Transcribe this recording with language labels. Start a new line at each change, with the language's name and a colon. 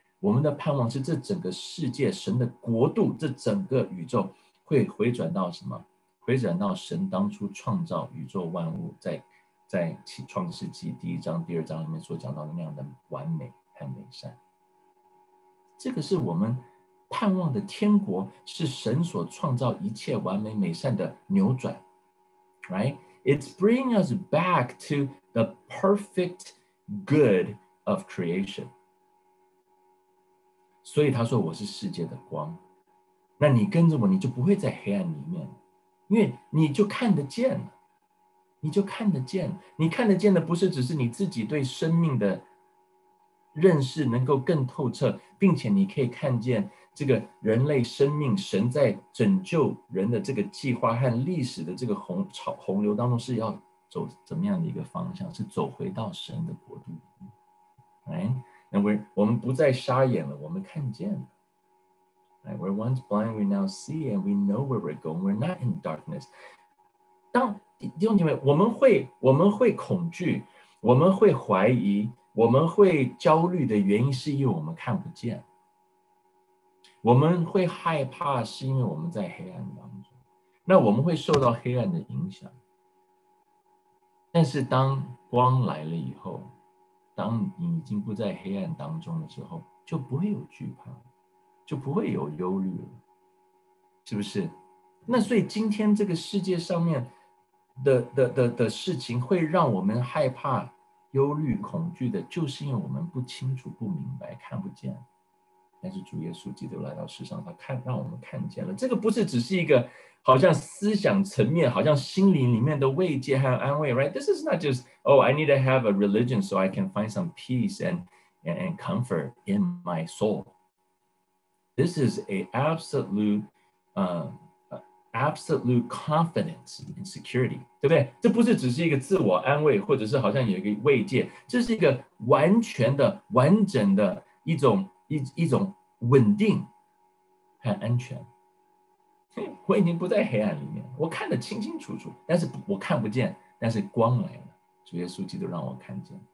Chinese: 我们的盼望是这整个世界、神的国度、这整个宇宙会回转到什么？回转到神当初创造宇宙万物在在创世纪第一章第二章里面所讲到的那样的完美和美善。这个是我们盼望的天国，是神所创造一切完美美善的扭转。
English: Right? It's bringing us back to the perfect good of creation.
Chinese: 所以他说我是世界的光，那你跟着我，你就不会在黑暗里面，因为你就看得见了，你就看得见。你看得见的不是只是你自己对生命的认识能够更透彻，并且你可以看见这个人类生命，神在拯救人的这个计划和历史的这个 洪流当中是要走怎么样的一个方向，是走回到神的国度。我们不再瞎眼了，我们看见了。
English: Right? We're once blind, we now see, and we know where we're going. We're not in darkness.
Chinese: 当弟兄姐妹，我们会恐惧，我们会怀疑，我们会焦虑的原因是因为我们看不见。我们会害怕是因为我们在黑暗当中，那我们会受到黑暗的影响。但是当光来了以后，当你已经不在黑暗当中的时候，就不会有惧怕，就不会有忧虑了，是不是？那所以今天这个世界上面的事情会让我们害怕、忧虑、恐惧的，就是因为我们不清楚、不明白、看不见。但是主耶稣基督来到世上，让我们看见了。这个不是只是一个好像思想层面、好像心灵里面的慰藉和安慰 ，
English: right? This is not just oh, I need to have a religion so I can find some peace and comfort in my soul. This is an absolute confidence and security,
Chinese: 对不对？这不是只是一个自我安慰，或者是好像有一个慰藉，这是一个完全的、完整的一种稳定和安全。我已经不在黑暗里面，我看得清清楚楚，但是我看不见，但是光来了，主耶稣基督让我看见。